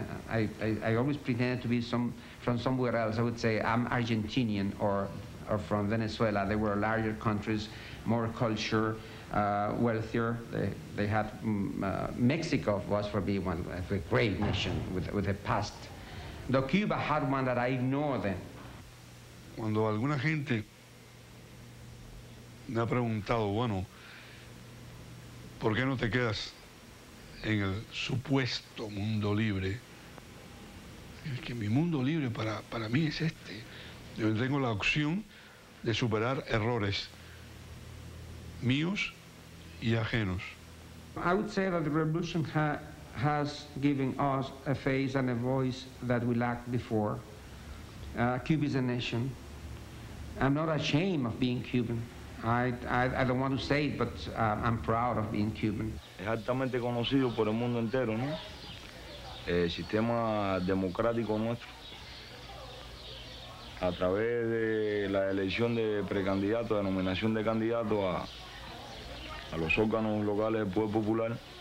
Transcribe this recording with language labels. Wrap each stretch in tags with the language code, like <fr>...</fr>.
<en>I always pretended to be from somewhere else. I would say I'm Argentinian or from Venezuela. They were larger countries, more culture, wealthier. They had Mexico was for me one, a great nation with a past. The Cuba had one that I ignored then.</en> <es>Cuando alguna gente me ha preguntado, bueno, ¿por qué no te quedas en el supuesto mundo libre? Es que mi mundo libre para mí es este. Yo tengo la opción de superar errores míos y ajenos.</es> <en>I would say that the revolution has given us a face and a voice that we lacked before. Cuba is a nation. I'm not ashamed of being Cuban. I don't want to say it, but I'm proud of being Cuban.</en> <es>Es altamente conocido por el mundo entero, ¿no? El sistema democrático nuestro, a través de la elección de precandidato, de nominación de candidato a los órganos locales del poder popular.</es>